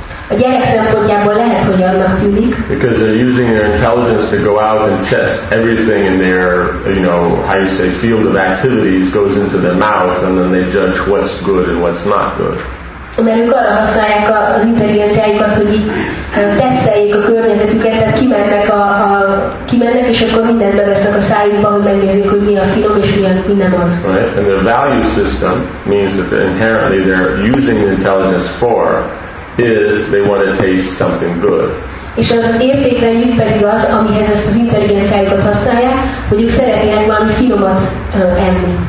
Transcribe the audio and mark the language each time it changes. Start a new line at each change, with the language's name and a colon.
Hungarian: A gyerek szempontjából lehet, hogy annak tűnik.
English: Because they're using their intelligence to go out and test everything in their, you know, how you say, field of activities goes into their mouth, and then they judge what's good and what's not good.
Hungarian: Mert ők arra használják az intelligenciájukat, hogy teszteljék a környezetüket, tehát kimennek, és akkor mindent bevesznek a szájukba, hogy megnézzék, hogy mi a finom, és mi nem az.
English: Right. And their value system means that inherently they're using the intelligence for is they want to taste something good.
Hungarian: És az értékrendjük pedig az, amihez ezt az intelligenciájukat használják, hogy ők szeretnének valami finomat enni.